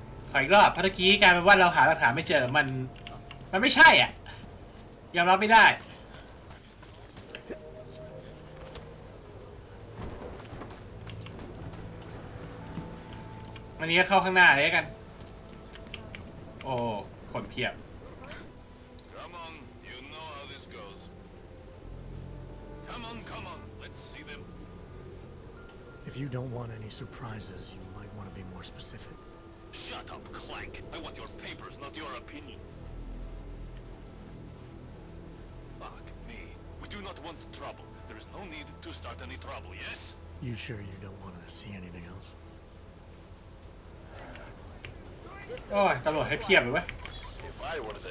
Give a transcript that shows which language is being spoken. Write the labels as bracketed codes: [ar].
[th] ขออีกรอบพัตกี้การเป็นว่าเราหาหลักฐานไม่เจอมันไม่ใช่อ่ะยอมรับไม่ได้วันนี้ก็เข้าข้างหน้าเลยกันโอ้คนเพียบ [en] Come on you know how this goes Come on let's see them If you don't want any surprises you might want to be more specific Shut up Clank I want your papers not your opinion Fuck me we do not want trouble there is no need to start any trouble yes You sure you don't want to see anything else [th] โอ้ยตำรวจให้เพียบเลยเว้ย